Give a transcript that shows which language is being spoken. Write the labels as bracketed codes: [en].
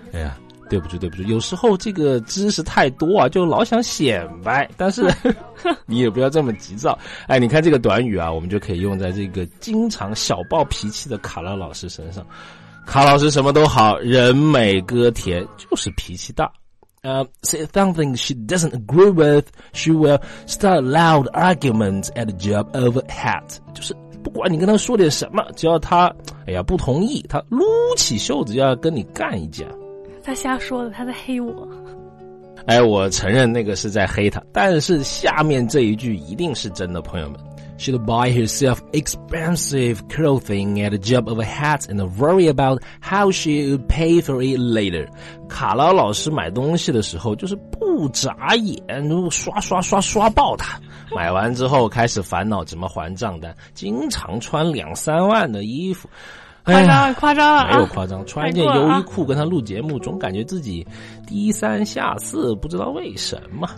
[zh] 哎呀，对不住对不住，有时候这个知识太多啊，就老想显摆，但是你也不要这么急躁。哎，你看这个短语啊，我们就可以用在这个经常小暴脾气的卡拉老师身上。卡老师什么都好，人美歌甜，就是脾气大。 [en] Say something she doesn't agree with, she will start loud arguments at the drop of a hat. [zh] 就是不管你跟他说点什么，只要他哎呀不同意，他撸起袖子就要跟你干一架。他瞎说的，他在黑我。哎，我承认那个是在黑他，但是下面这一句一定是真的，朋友们。 [en] She'd buy herself expensive clothing at the drop of a hat and worry about how she would pay for it later. [zh] 卡拉老师买东西的时候就是不眨眼，刷刷刷刷爆他，买完之后开始烦恼怎么还账单，经常穿两三万的衣服。夸张了，夸张了，没有夸张，啊，穿一件优衣库跟他录节目，总感觉自己低三下四，不知道为什么。